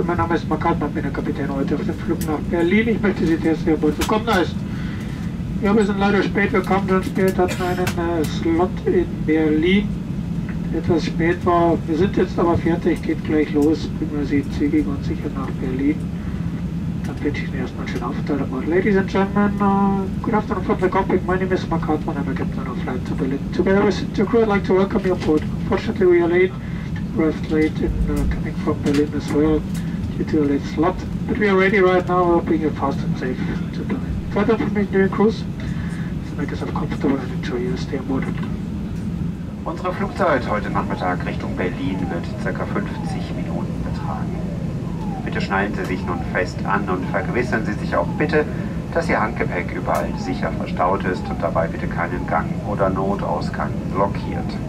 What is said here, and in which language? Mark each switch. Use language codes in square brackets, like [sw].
[de] Mein Name ist Makat, bin der Kapitän heute auf dem Flug nach Berlin. Ich möchte Sie jetzt sehr wohl willkommen heißen. Ja, wir sind leider spät, wir kamen schon spät, hatten einen Slot in Berlin, etwas spät war. Wir sind jetzt aber fertig, geht gleich los, bringen wir Sie zügig und sicher nach Berlin. Dann wünsche ich Ihnen erstmal einen schönen Aufenthalt. [en] Aber Ladies and Gentlemen, good afternoon from the cockpit. My name is Makat, and I'm a captain of flight to Berlin. Together with the crew, I'd like to welcome you aboard. Unfortunately, we are late. Arrived late in coming from Berlin as well due to a late slot, but we are ready right now, hoping you're fast and safe to Berlin. Further from me during cruise, so make yourself comfortable and enjoy your stay aboard. [de] Unsere Flugzeit heute Nachmittag Richtung Berlin wird ca. 50 Minuten betragen. Bitte schnallen Sie sich nun fest an und vergewissern Sie sich auch bitte, dass Ihr Handgepäck überall sicher verstaut ist und dabei bitte keinen Gang oder Notausgang blockiert.